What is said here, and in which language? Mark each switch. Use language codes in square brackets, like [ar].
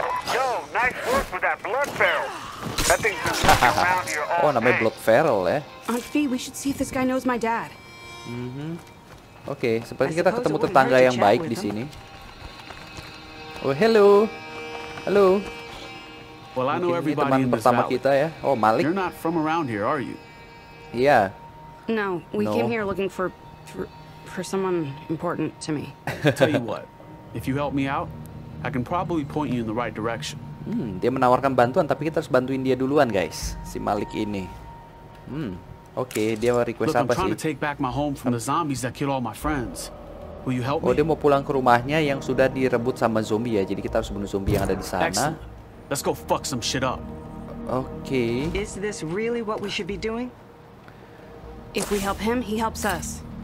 [en] Yo, nice work with that blood feral. That thing's been around here all day. [id] Oh, namanya blood feral ya. [en] Aunt Fee, we should see if this guy knows my dad. [id] Oke, seperti kita ketemu tetangga yang baik di sini. [en] Oh, hello. Halo. Well, I know everybody. [id] Teman pertama kita ya. Oh, Malik. [en] You're not from around here, are you? Yeah. No, we came here looking for someone important to me. Tell you what. If you help me out, I can probably point you in the right direction. [id] Dia menawarkan bantuan, tapi kita harus bantuin dia duluan, guys. Si Malik ini. Oke, dia request apa sih? [en] I'm trying to take back my home from the zombies that killed all my friends. Will you help me? [id] Oh, dia mau pulang ke rumahnya yang sudah direbut sama zombie ya. Jadi kita harus bunuh zombie yang ada di sana. [en] Let's go fuck some shit up. Okay. Is this really what we should be doing? If we help him, he helps us.